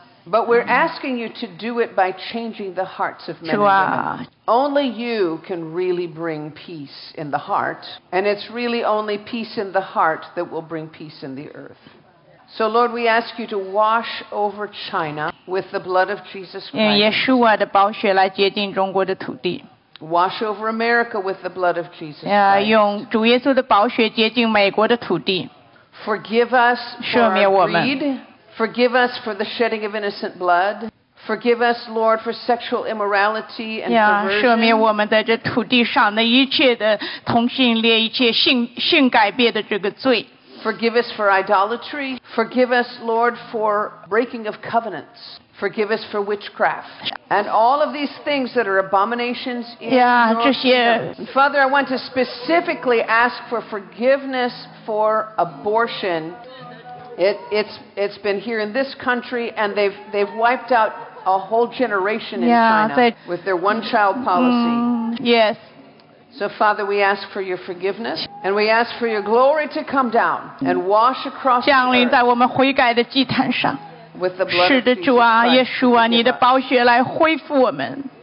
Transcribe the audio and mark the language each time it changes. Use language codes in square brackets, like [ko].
[en] But we're asking you to do it by changing the hearts of men and women. Only you can really bring peace in the heart. And it's really only peace in the heart that will bring peace in the earth. So Lord, we ask you to wash over China with the blood of Jesus Christ. [zh] 用耶稣的宝血来洁净中国的土地。 [en] Wash over America with the blood of Jesus Christ. [zh] 用主耶稣的宝血洁净美国的土地。 [en] Forgive us for our greed. Forgive us for the shedding of innocent blood. Forgive us, Lord, for sexual immorality and perversion. [zh] 赦免我们在这土地上的一切的同性恋、一切性改变的这个罪。 [en] Forgive us for idolatry. Forgive us, Lord, for breaking of covenants. Forgive us for witchcraft. And all of these things that are abominations in your kingdom. Father, I want to specifically ask for forgiveness for abortion. It's been here in this country, and they've wiped out a whole generation in China with their one-child policy. Yes. So, Father, we ask for your forgiveness, and we ask for your glory to come down and wash across the earth [zh] 降临在我们悔改的祭坛上 [en] with the blood of Jesus Christ. [zh] 是的，主啊，耶稣啊，你的宝血来恢复我们。